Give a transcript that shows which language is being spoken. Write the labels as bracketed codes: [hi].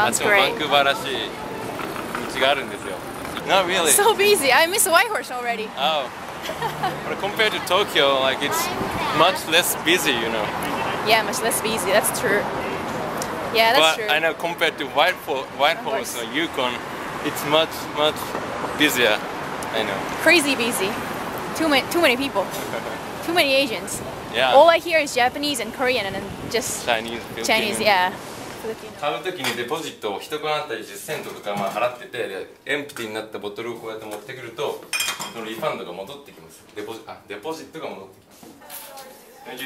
[ja] あっちもバンクーバーらしい道があるんですよ。 [en] Not really. So busy. I miss Whitehorse already. Oh. But compared to Tokyo, like it's much less busy, you know. Yeah, much less busy. That's true. Yeah, that's But true. But I know compared to Whitehorse or Yukon, it's much, much busier. I know. Crazy busy. Too many people. Too many Asians. Yeah. All I hear is Japanese and Korean and just Chinese, yeah. [ja] 買うときにデポジットを1個あたり10セントとかまあ払ってて、でエンプティになったボトルをこうやって持ってくると、そのリファンドが戻ってきます。デポジットが戻ってきます。